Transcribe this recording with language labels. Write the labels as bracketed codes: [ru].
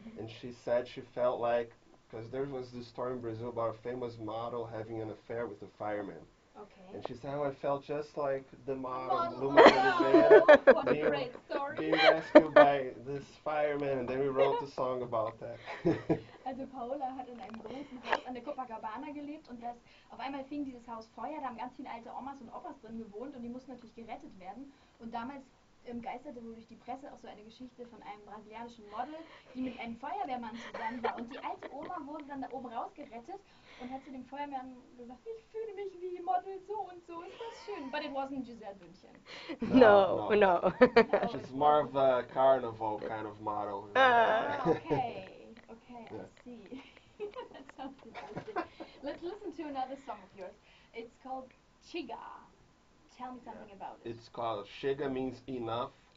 [en] And she said she felt like, because there was this story in Brazil about a famous model having an affair with a fireman. Okay. And she said, oh, I felt just like the model, Luma Oliveira, being rescued by this fireman. And then we wrote a song about that. [de] Also Paula hat in einem großen Haus an der Copacabana gelebt, und das auf einmal fing dieses Haus Feuer. Da haben ganz viele alte Omas und Opas drin gewohnt, und die mussten natürlich gerettet werden. Und damals geisterte wohl durch die Presse auch so eine Geschichte von einem brasilianischen Model, die mit einem Feuerwehrmann zusammen war. Und die alte Oma wurde dann da oben rausgerettet und hat zu dem Feuerwehrmann gesagt, ich fühle mich wie Model so und so, ist das schön. [en] But it wasn't Giselle Bündchen. No. It's more of a carnival kind of model. Okay, yeah. I see. That sounds interesting. Let's listen to another song of yours. It's called Chiga. Tell me something about it. It's called Chega means enough.